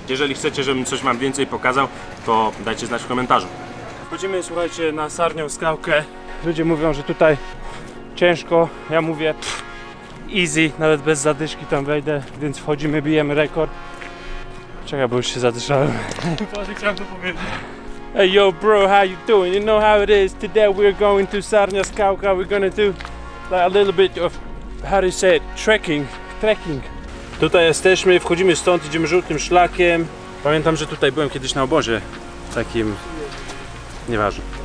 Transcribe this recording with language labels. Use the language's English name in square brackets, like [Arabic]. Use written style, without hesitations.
[Polish] Jeżeli chcecie, żebym coś wam więcej pokazał, to dajcie znać w komentarzu. Wchodzimy, słuchajcie, na sarnią skałkę. Ludzie mówią, że tutaj ciężko, ja mówię easy, nawet bez zadyszki tam wejdę, więc wchodzimy, bijemy rekord. Czekaj, bo już się zadyszałem. Właśnie chciałem to powiedzieć. [English] Hey yo bro, how you doing? You know how it is, today we're going to Sarnia Skałka, we're gonna do like a little bit of, how do you say it, trekking. [Polish] Tutaj jesteśmy, wchodzimy stąd, idziemy żółtym szlakiem. Pamiętam, że tutaj byłem kiedyś na obozie takim, nieważne.